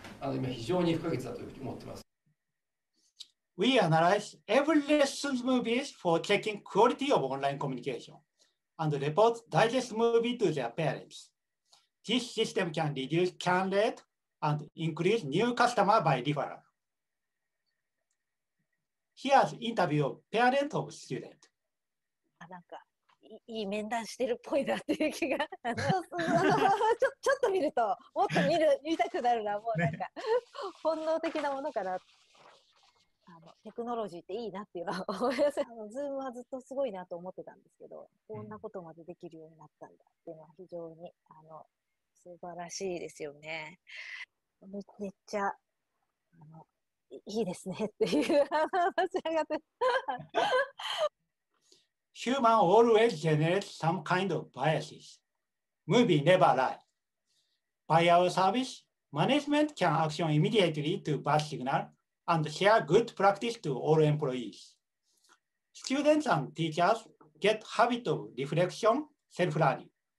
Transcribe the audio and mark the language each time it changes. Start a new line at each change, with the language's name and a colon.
Japanese: 全部従来の従来型のその教育のマーケットなんですね。オンラインに移ってくるというふうに思ってますし、現に海外ではもうそういうふうになりつつあります。オンラインがいいということを我々自身もね、ちゃんと把握しておかなきゃいけないわけです。で、それには御社のこのAIでね、クオリティをチェックするっていうことが今非常に不可欠だというふうに思ってます。
English: We analyze every lesson movies for checking quality of online communication and report digest movie to their parents. This system can reduce churn rate and increase new customer by referral. Here's interview of parent of student.
Japanese: いい面談してるっぽいなっていう気が。ちょっと見ると、もっと見たくなるな、もうなんか本能的なものかな。 テクノロジーっていいなっていうのは思います。ズームはずっとすごいなと思ってたんですけど、こんなことまでできるようになったんだっていうのは非常に素晴らしいですよね。めっちゃいいですねっていう話し上がって。Human
English: always generates some kind of biases. Movie never lies. By our service, management can action immediately to bad signal and share good practice to all employees. Students and teachers get habit of reflection, self-learning.